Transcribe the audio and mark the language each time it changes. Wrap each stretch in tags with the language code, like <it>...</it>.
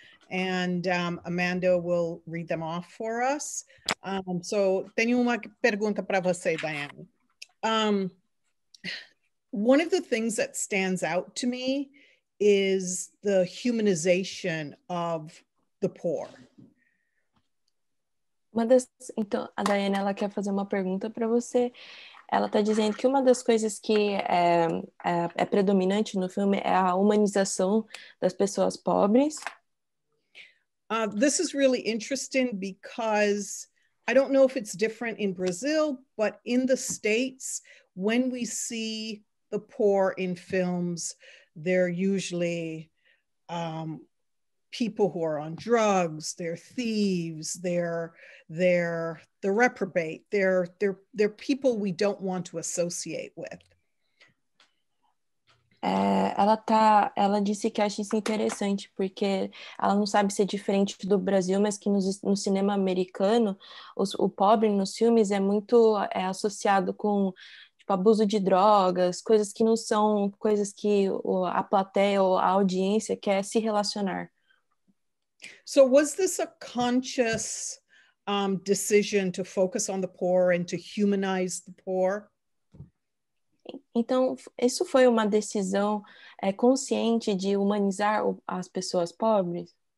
<en>And Amanda will read them off for us. So,</en> <pt>tenho uma pergunta para você, Daiane.</pt> <en>One of the things that stands out to me is the humanization of the poor.</en> <pt>Então, a Daiane, ela quer fazer uma pergunta para você. Ela está dizendo que uma das coisas que é predominante no filme é a humanização das pessoas pobres.</pt> <en>This is really interesting because I don't know if it's different in Brazil, but in the States, when we see the poor in films, they're usually people who are on drugs, they're thieves, they're reprobate, they're people we don't want to associate with.</en> <pt>Ela disse que acha isso interessante, porque ela não sabe se é diferente do Brasil, mas que no cinema americano, o pobre nos filmes é muito associado com, tipo, abuso de drogas, coisas que não são coisas que a plateia ou a audiência quer se relacionar.</pt> <en>So was this a conscious decision to focus on the poor and to humanize the poor?</en> <pt>Então, isso foi uma decisão consciente de humanizar as pessoas pobres?</pt>